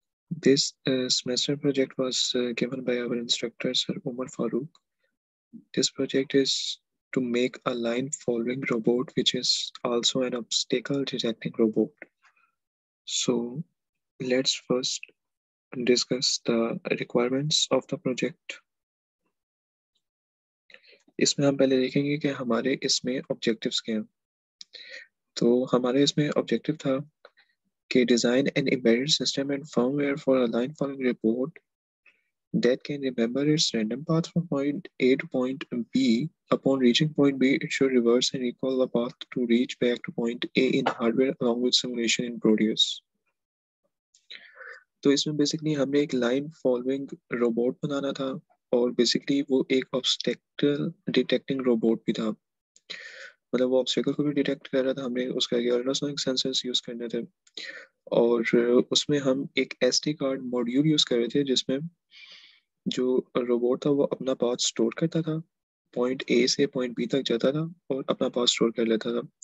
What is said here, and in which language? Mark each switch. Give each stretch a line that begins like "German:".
English: This semester project was given by our instructor, Sir Umar Farooq. This project is to make a line following robot, which is also an obstacle detecting robot. So let's first discuss the requirements of the project.
Hindi: इसमें हम पहले देखेंगे कि हमारे इसमें objectives क्या हैं। तो हमारे इसमें objective था कि
English: design an embedded system and firmware for a line following robot that can remember its random path from point A to point B. Upon reaching point B, it should reverse and recall the path to reach back to point A in hardware along with simulation in Proteus.
Hindi: तो इसमें basically हमने एक line following robot बनाना था और basically वो एक obstacle detecting robot भी था, मतलब वो ऑब्स्टेकल को भी डिटेक्ट कर रहा था. हमने उसका अल्ट्रासोनिक सेंसर्स यूज करने थे और उसमें हम एक एसडी कार्ड मॉड्यूल यूज कर रहे थे जिसमें जो रोबोट था वो अपना पाथ स्टोर करता था, पॉइंट ए से पॉइंट बी तक जाता था और अपना पाथ स्टोर कर लेता था.